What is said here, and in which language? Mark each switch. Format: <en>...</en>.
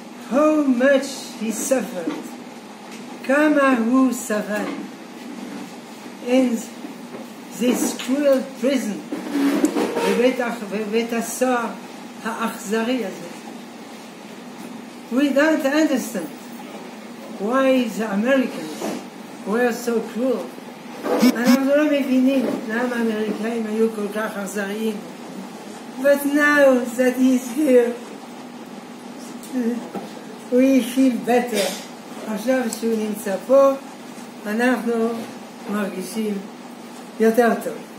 <en>How much he suffered,</en> <he>כמה הוא סבל</he> <en>in this cruel prison,</en> <he>בבית הסוהר האכזרי הזה.</he> <en>We don't understand why the Americans were so cruel.</en> <he>אנחנו לא מבינים למה האמריקאים היו כל כך אכזריים.</he> <en>But now that he is here, we feel better.</en> <he>עכשיו שהוא נמצא פה, אנחנו מרגישים יותר טוב.</he>